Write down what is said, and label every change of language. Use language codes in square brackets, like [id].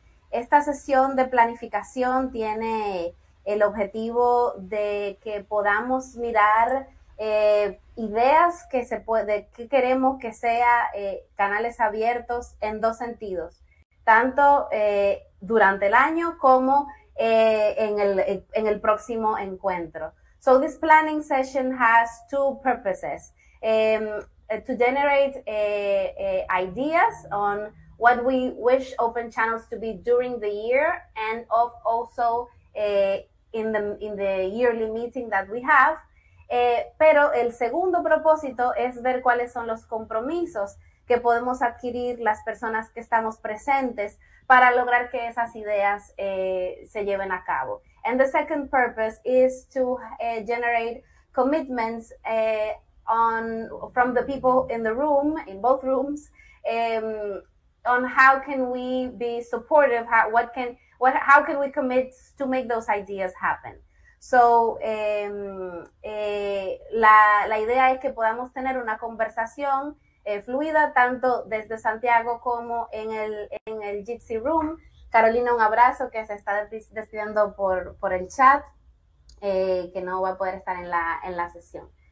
[es] Esta sesión de planificación tiene el objetivo de que podamos mirar ideas que se puede, que queremos que sea canales abiertos en dos sentidos, tanto durante el año como en el próximo encuentro. [en] So this planning session has two purposes: to generate ideas on what we wish open channels to be during the year, and of also in the yearly meeting that we have. [es] Pero el segundo propósito es ver cuáles son los compromisos que podemos adquirir las personas que estamos presentes para lograr que esas ideas se lleven a cabo. [en] And the second purpose is to generate commitments from the people in the room, in both rooms, on how can we be supportive, how can we commit to make those ideas happen. [es] So, la idea es que podamos tener una conversación fluida tanto desde Santiago como en el Jitsi Room. Carolina, un abrazo, que se está despidiendo por el chat, que no va a poder estar en la sesión.